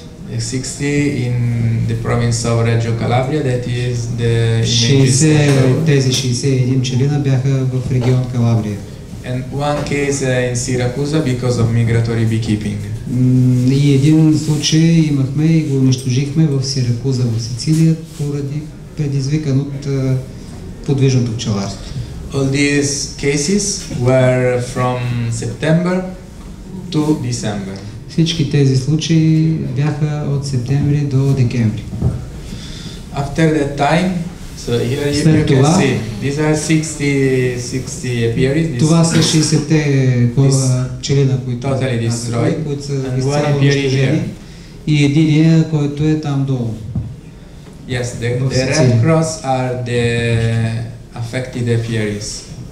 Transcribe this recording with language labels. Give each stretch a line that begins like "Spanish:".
English: 60 in the province of Reggio Calabria, that is the
Bulgarian: 60, тези 61 пчелина бяха в регион Калабрия.
English: And one case in Syracuse because of migratory beekeeping.
Bulgarian: И един случай имахме и го унищожихме в Сиракуза, в Сицилия, поради предизвикан от подвижното пчеларство.
English: All these cases were from September to December.
Bulgarian: Всички тези случаи бяха от септември до декември.
English: After that time,
Bulgarian: След това, това са 60-те пчелина, които са изцяло унищожени, и единия, който е там долу.
English: Yes, the Red Cross are the affected apiaries.